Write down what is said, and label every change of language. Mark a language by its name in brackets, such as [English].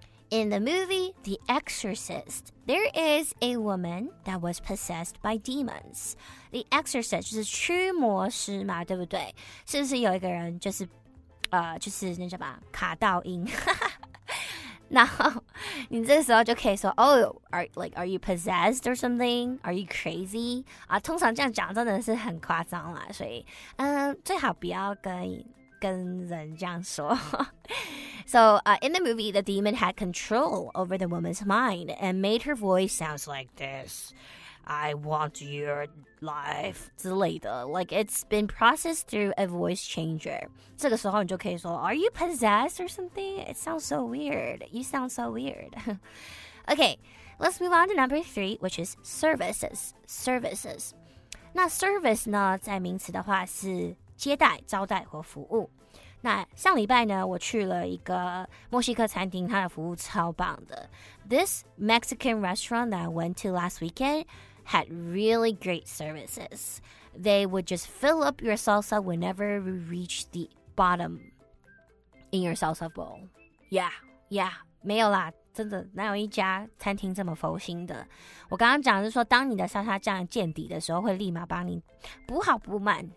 [English] In the movie The Exorcist, there is a woman that was possessed by demons. [Chinese] The Exorcist 就是驱魔师嘛，对不对？是不是有一个人就是那叫什么卡道音？然后你这时候就可以说 [English] Are you possessed or something? Are you crazy?、 [Chinese] 通常这样讲真的是很夸张啦，所以最好不要跟人这样说。 [English] So, in the movie, the demon had control over the woman's mind and made her voice sounds like this. I want your life [Chinese] 之类的。 [English] Like, it's been processed through a voice changer. [Chinese] 这个时候你就可以说 [English] Are you possessed or something? It sounds so weird. You sound so weird. Okay, let's move on to number three, which is services. [Chinese] Services. 那 service 呢，在名词的话是接待、招待或服务。那上礼拜呢，我去了一个墨西哥餐厅，它的服务超棒的。 [English] This Mexican restaurant that I went to last weekend had really great services. They would just fill up your salsa whenever you reach the bottom in your salsa bowl. [Chinese] Yeah, yeah, 没有啦，真的哪有一家餐厅这么佛心的？我刚刚讲的是说，当你的沙沙酱见底的时候，会立马帮你补好补满。